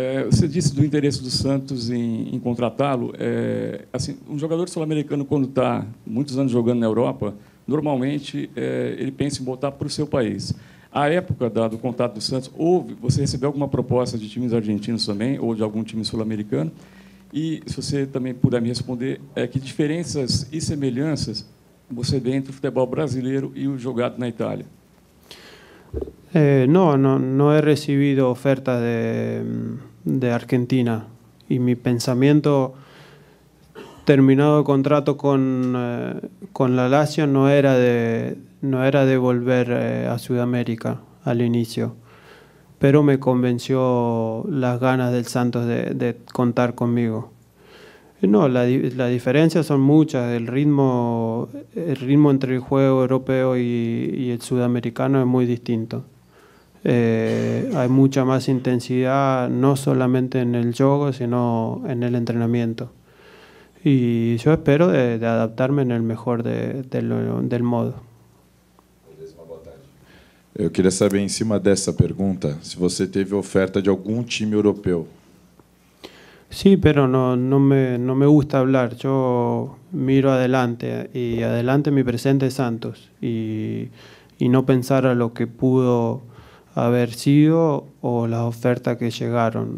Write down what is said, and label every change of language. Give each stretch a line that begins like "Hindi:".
Portuguese: Você disse do interesse do Santos em contratá-lo. Assim, um jogador sul-americano, quando está muitos anos jogando na Europa, normalmente ele pensa em voltar para o seu país. À época do contato do Santos, você recebeu alguma proposta de times argentinos também, ou de algum time sul-americano? E, se você também puder me responder, que diferenças e semelhanças você vê entre o futebol brasileiro e o jogado na Itália?
Spanish: No he recibido ofertas de Argentina y mi pensamiento, terminado el contrato con la Lazio, no era de volver a Sudamérica al inicio, pero me convenció las ganas del Santos de contar conmigo. No, las diferencias son muchas. El ritmo entre el juego europeo y el sudamericano es muy distinto. Hay mucha más intensidad, no solamente en el juego, sino en el entrenamiento. Y yo espero de adaptarme en el mejor del modo.
Portuguese: Eu queria saber, em cima dessa pergunta, se você teve oferta de algum time europeu.
Spanish: Sí, pero no me gusta hablar. Yo miro adelante y adelante mi presente es Santos y no pensar a lo que pudo haber sido o las ofertas que llegaron.